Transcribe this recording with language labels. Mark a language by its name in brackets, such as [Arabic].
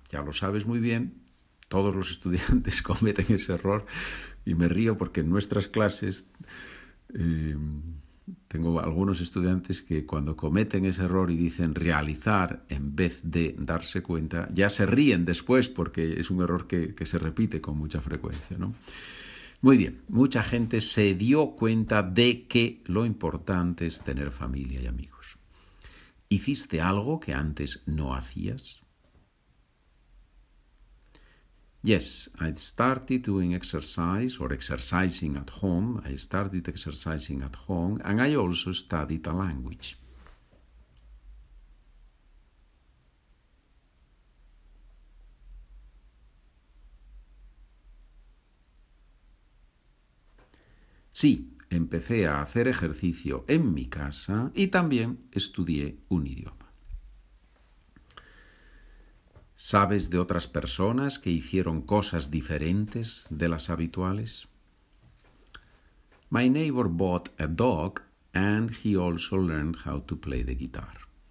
[Spanish] Ya lo sabes muy bien, todos los estudiantes cometen ese error y me río porque en nuestras clases tengo algunos estudiantes que cuando cometen ese error y dicen realizar en vez de darse cuenta, ya se ríen después porque es un error que se repite con mucha frecuencia, ¿no? Muy bien, mucha gente se dio cuenta de que lo importante es tener familia y amigos. ¿Hiciste algo que antes no hacías? [English] Yes, I started doing exercise or exercising at home. I started exercising at home and I also studied a language. [Spanish] Sí. Empecé a hacer ejercicio en mi casa y también estudié un idioma. ¿Sabes de otras personas que hicieron cosas diferentes de las habituales? [English] My neighbor bought a dog and he also learned how to play the guitar.